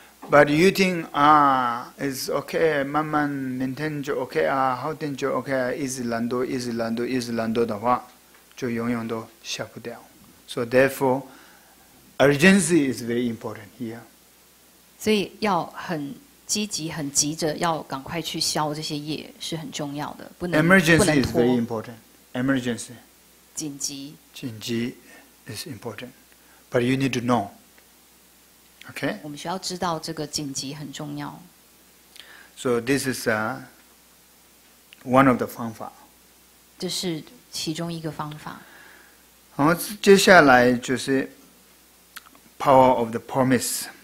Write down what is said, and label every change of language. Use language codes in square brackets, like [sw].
[en] But you think, ah, it's okay, [zh] 慢慢 maintain 就 okay 啊，好点就 okay 啊，一直懒惰，一直懒惰，一直懒惰的话，就永远都下不掉。 [en] So therefore, urgency is very important here. [zh] 所以要很积极，很急着要赶快去消这些业是很重要的，不能拖。 [en] Emergency is very important. Emergency. [zh] 紧急。 [en] 紧急 is important, but you need to know. Okay. [zh] 我们需要知道这个紧急很重要。 [en] So this is one of the 方法。 [zh] 这是其中一个方法。好，接下来就是 [en] power of the promise。